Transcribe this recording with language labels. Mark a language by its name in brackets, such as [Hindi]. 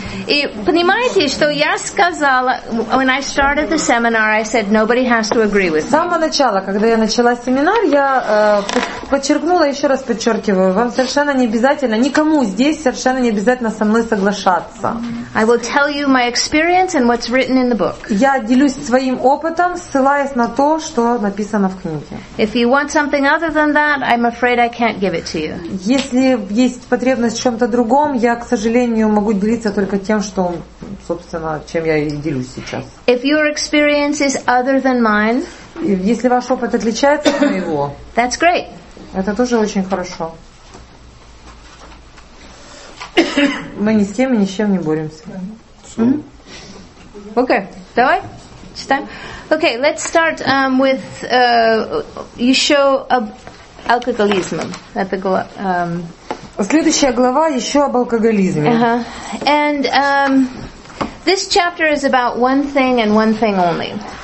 [Russian] И понимаете, что я сказала, [English] when I started the seminar, I said nobody has to agree with me. [Russian] С самого начала, когда я начала семинар, я подчеркнула, еще раз подчеркиваю, вам совершенно не обязательно, никому здесь совершенно не обязательно со мной соглашаться. [English] I will tell you my experience and what's written in the book. [Russian] Я делюсь своим опытом, ссылаясь на то, что написано в книге. [English] If you want something other than that, I'm afraid I can't give it to you. [Russian] Если есть потребность в чем-то другом, я, к сожалению, могу делиться только тем, что, собственно, чем я и делюсь сейчас. [English] If your experience is other than mine, [Russian] если ваш опыт отличается от моего, [English] that's great. [Russian] Это тоже очень хорошо. Мы ни с кем и ни с чем не боремся. [English] Okay, [Russian] давай читаем. [English] Okay, let's start with [Russian] еще об алкоголизмом. Это следующая глава еще об алкоголизме. [English] And this chapter is about one thing and one thing only.